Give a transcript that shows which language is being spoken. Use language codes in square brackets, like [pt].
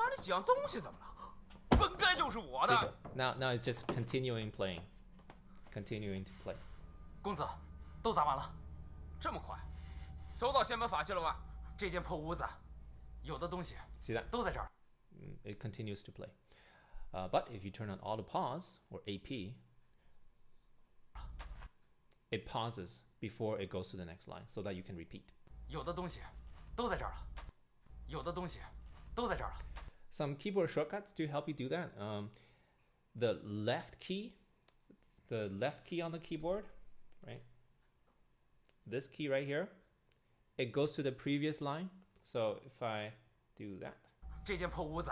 [zh] 哪里几样东西怎么了？本该就是我的。 [en] Super. Now it's just continuing playing. Continuing to play. [zh] 公子。都砸完了，这么快？搜到仙门法器了吧？这间破屋子，有的东西都在这儿。 [en] It continues to play. But if you turn on auto pause or AP, it pauses before it goes to the next line so that you can repeat. [zh] 有的东西都在这儿了。有的东西都在这儿了。 [en] Some keyboard shortcuts to help you do that. The left key on the keyboard, right? This key right here, it goes to the previous line. So if I do that, [zh] 这间破屋子,